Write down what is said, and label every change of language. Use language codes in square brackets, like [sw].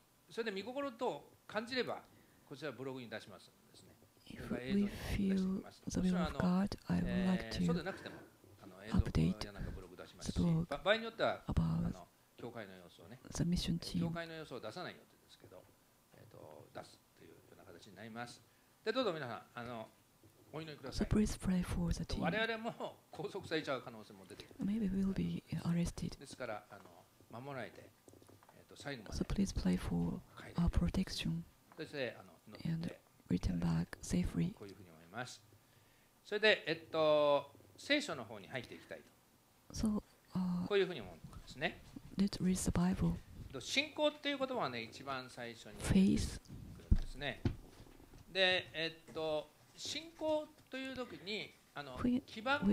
[ja] それで見心と感じればこちらブログに出しますですね。 [en] If we feel the will of God, I would like to update the book. About [ja] 場合によっては教会の様子をね、 [en] the mission team. [ja] 教会の様子を出さないよってですけど、出すというような形になります。でどうぞ皆さんお祈りください。 [en] So please pray for the team. [ja] 我々も拘束されちゃう可能性も出てくる。 [en] Maybe we'll be arrested. [ja] ですから守られて。 [en] So please pray for our protection and return back safely. [ja] こういうふうに思います。それで聖書の方に入っていきたいと。 [en] So, [ja] こういうふうに思うんですね。 [en] Let's read the Bible. [ja] 信仰っていう言葉はね、一番最初に。 [en] Faith. [ja] ですね。で信仰という時に基盤がある。